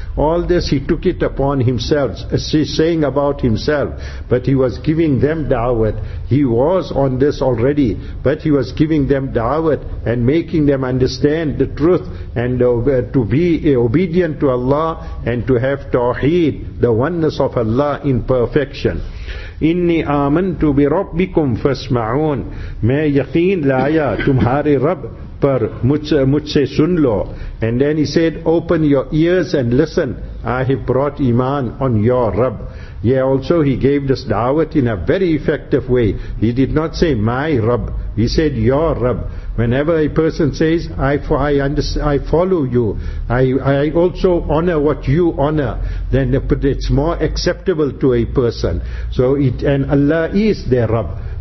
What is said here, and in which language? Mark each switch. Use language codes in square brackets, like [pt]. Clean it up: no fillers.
[en] All this he took it upon himself, saying about himself, but he was giving them da'wat. He was on this already, but he was giving them da'wat and making them understand the truth, and to be obedient to Allah and to have توحید, the oneness of Allah in perfection. [ar] انی آمنتو بربکم فاسمعون. [ur] میں یقین لایا تمہارے رب پر, مجھ سے سن لو. [en] And then he said, open your ears and listen, I have brought iman on your Rabb. Yeah, also he gave this da'wat in a very effective way. He did not say my Rabb, he said your Rabb. Whenever a person says, I follow you, I also honor what you honor, then it's more acceptable to a person. So it, and Allah is their Rabb.